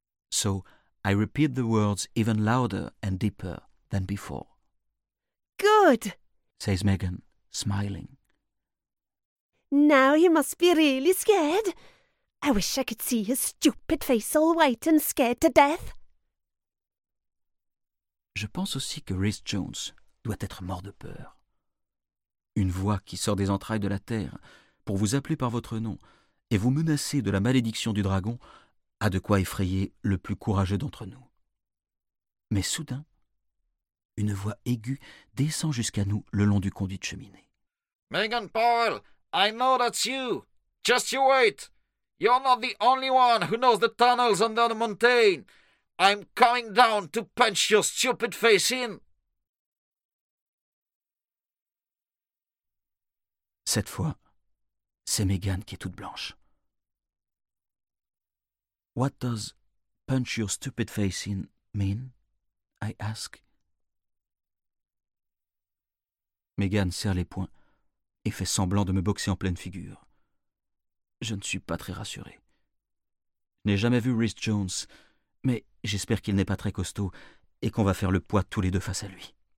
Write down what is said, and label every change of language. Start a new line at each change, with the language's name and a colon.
English: So I repeat the words even louder and deeper than before. Good, says Megan, smiling. Now you must be really scared. I wish I could see your stupid face all white and scared to death.
French: Je pense aussi que Rhys Jones doit être mort de peur. Une voix qui sort des entrailles de la terre pour vous appeler par votre nom et vous menacer de la malédiction du dragon a de quoi effrayer le plus courageux d'entre nous. Mais soudain, une voix aiguë descend jusqu'à nous le long du conduit de cheminée.
English: Megan Powell, I know that's you. Just you wait. You're not the only one who knows the tunnels under the mountain. I'm coming down to punch your stupid face in.
French: Cette fois, c'est Megan qui est toute blanche.
English: What does punch your stupid face in mean? I ask.
French: Megan serre les poings et fait semblant de me boxer en pleine figure. Je ne suis pas très rassuré. Je n'ai jamais vu Rhys Jones, mais j'espère qu'il n'est pas très costaud et qu'on va faire le poids tous les deux face à lui.